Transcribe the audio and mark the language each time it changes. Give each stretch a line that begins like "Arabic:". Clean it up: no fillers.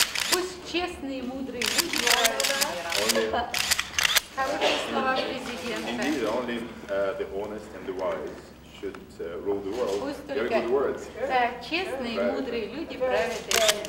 Russian: Пусть честные и мудрые люди говорят. Хорошие слова президента.
English: Indeed, only the honest and the wise should rule the world.
Russian: Пусть
English: Very good words.
Russian: Так, честные и мудрые люди правят этим.